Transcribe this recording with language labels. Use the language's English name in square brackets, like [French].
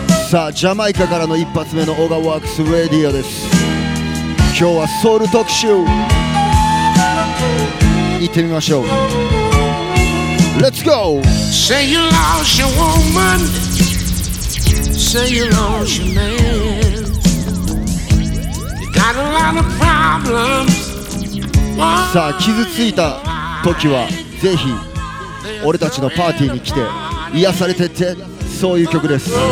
[Japanese] さあ、ジャマイカからの一発目のOGAWORKS Radio です。今日はソウル特集、行ってみましょう。 [English] Let's go! Say you lost your woman, say you lost your man, you got a lot of problems. [Japanese] さあ、傷ついた時はぜひ俺たちのパーティーに来て癒されてって、そういう曲です。